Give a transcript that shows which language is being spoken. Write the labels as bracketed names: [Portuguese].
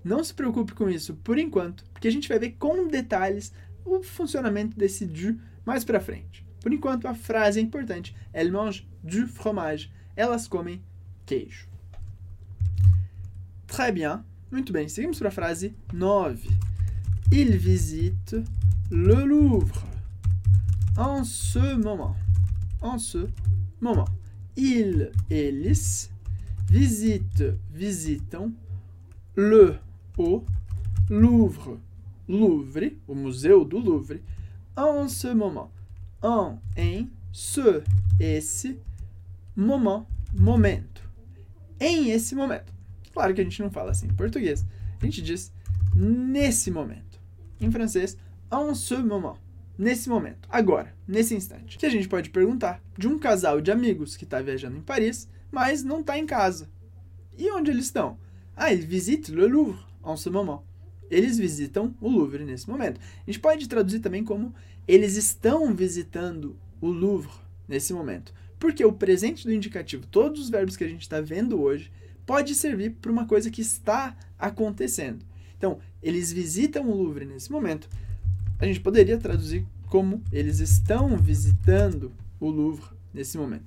[Portuguese] Não se preocupe com isso por enquanto, porque a gente vai ver com detalhes o funcionamento desse du mais pra frente. Por enquanto, a frase é importante, [French] elle mange du fromage, [Portuguese] elas comem queijo. [French] Très bien, [Portuguese] muito bem, seguimos para a frase 9. [French] Il visite le Louvre en ce moment, en ce moment. [Portuguese] Il, eles, visitam le, o, Louvre, Louvre, o museu do Louvre, en ce moment, em ce, esse, moment, momento, em esse momento. Claro que a gente não fala assim em português, a gente diz nesse momento. Em francês, [French] en ce moment. [Portuguese] Nesse momento, agora, nesse instante, que a gente pode perguntar de um casal de amigos que está viajando em Paris, mas não está em casa. E onde eles estão? [French] Ah, ils visitent le Louvre en ce moment. [Portuguese] Eles visitam o Louvre nesse momento. A gente pode traduzir também como eles estão visitando o Louvre nesse momento. Porque o presente do indicativo, todos os verbos que a gente está vendo hoje, pode servir para uma coisa que está acontecendo. Então, eles visitam o Louvre nesse momento. A gente poderia traduzir como eles estão visitando o Louvre nesse momento.